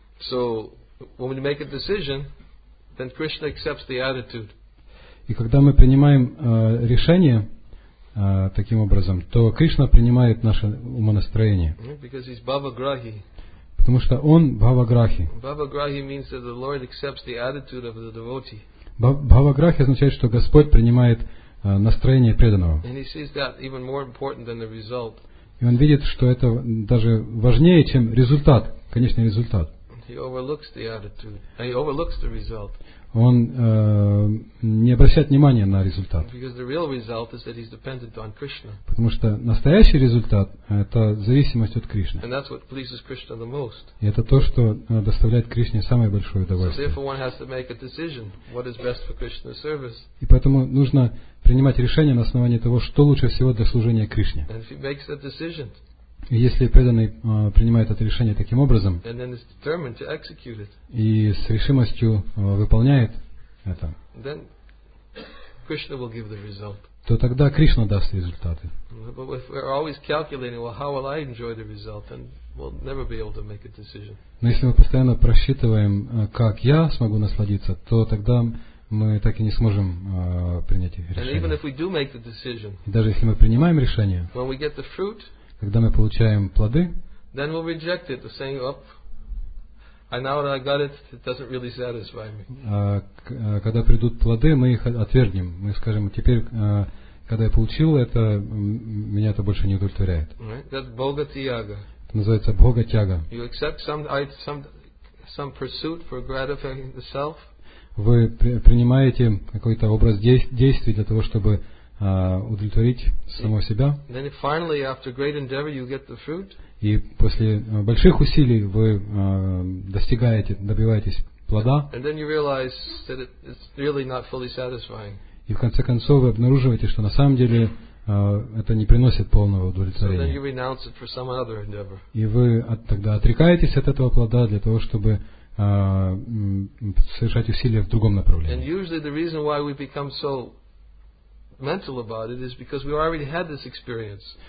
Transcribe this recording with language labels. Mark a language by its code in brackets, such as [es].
[en] So, when we make a decision, then Krishna accepts the attitude. [ru] И когда мы принимаем решение таким образом, то Кришна принимает наше умонастроение. [en] Because he's Bhavagrahi. [ru] Потому что он Бхаваграхи. [en] Bhavagrahi means that the Lord accepts the attitude of the devotee. [ru] Бхаваграхи означает, что Господь принимает настроение преданного. [en] And he sees that even more important than the result. [ru] И он видит, что это даже важнее, чем результат, конечный результат. [en] He overlooks the attitude. He overlooks the result. [ru] Он не обращает внимания на результат. [en] Because the real result is that he's dependent on Krishna. [ru] Потому что настоящий результат – это зависимость от Кришны. [en] And that's what pleases Krishna the most. [ru] И это то, что доставляет Кришне самое большое удовольствие. [en] So therefore one has to make a decision, what is best for Krishna's service. [ru] И поэтому нужно принимать решение на основании того, что лучше всего для служения Кришне. [en] And if he makes that decision, [ru] если преданный принимает это решение таким образом и с решимостью выполняет это, [en] then Krishna will give the result. [ru] То тогда Кришна даст результаты. [en] But if we're always calculating, well, how will I enjoy the result? And we'll never be able to make a decision. [ru] Но если мы постоянно просчитываем, как я смогу насладиться, то тогда мы так и не сможем принять решение. [en] And even if we do make the decision, [ru] даже если мы принимаем решение, [en] when we get the fruit, [ru] когда мы получаем плоды, [en] then we'll reject it, saying, "Oh, I now that I got it, it doesn't really satisfy me." [ru] Когда придут плоды, мы их отвергнем. Мы скажем: теперь, когда я получил это, меня это больше не удовлетворяет. [en] That's boga tyaga. [ru] Это называется бога тяга. [en] You accept some pursuit for gratifying the self. [ru] Вы принимаете какой-то образ действий для того, чтобы удовлетворить самого себя. [en] Then finally, after great endeavor, you get the fruit. [ru] И после больших усилий вы достигаете, добиваетесь плода. [en] And then you realize that it's really not fully satisfying. [ru] И в конце концов вы обнаруживаете, что на самом деле это не приносит полного удовлетворения. [en] So then you renounce it for some other endeavor. [ru] И вы тогда отрекаетесь от этого плода для того, чтобы совершать усилия в другом направлении. [en] And usually the reason why we become so mental about it is because we already had this experience.